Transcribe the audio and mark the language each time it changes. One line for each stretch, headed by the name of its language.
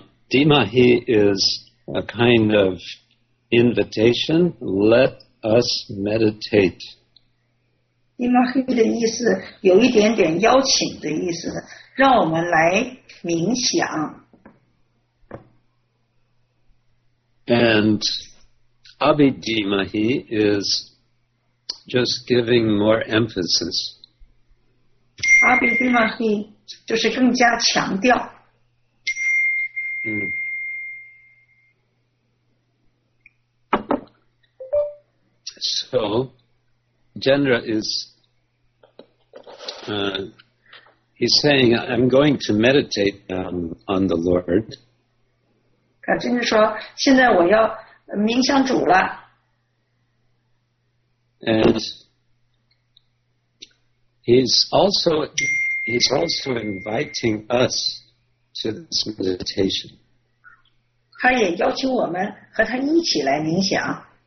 English: Dhimahi is a kind of invitation. Let us meditate.
Chinese: Dhimahi的意思有一点点邀请的意思，让我们来冥想。
English: And abhidhimahi is just giving more emphasis.
Chinese: Abhidhimahi 就是更加强调。
English: So, Gajendra is he's saying, I'm going to meditate on the Lord.
Chinese: Gajendra 说，现在我要冥想主了。
English: And he's also inviting us to this meditation.
Chinese: 他也邀请我们和他一起来冥想。